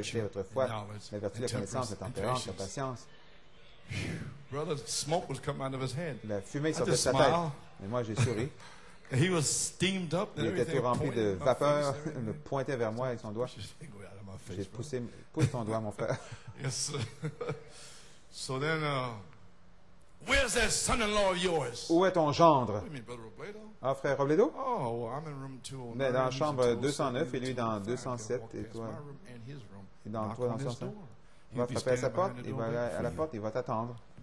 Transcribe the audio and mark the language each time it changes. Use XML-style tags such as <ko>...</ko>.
<fr>été autrefois la vertu de la connaissance, la tempérance, la patience.</fr> <en>Brother, smoke was coming out of his head.</en> <fr>La fumée sortait de sa tête. Et moi, j'ai souri.</fr> <en>He was steamed up.</en> <fr>Il était tout rempli de vapeur. Il me pointait vers moi avec son doigt. J'ai poussé, pousse ton doigt, mon frère.</fr> <en>Yes, sir. So then, where's that son-in-law of yours?</en> <fr>Où est ton gendre?</fr> <en>You mean Brother Robledo?</en> <fr>Ah, frère Robledo?</fr> <en>Oh, well, I'm in room 209.</en> <fr>Mais dans la chambre 209 et lui dans 207 et toi. Et dans 207. Il va frapper à sa porte, il va aller à la porte, il va t'attendre.</fr>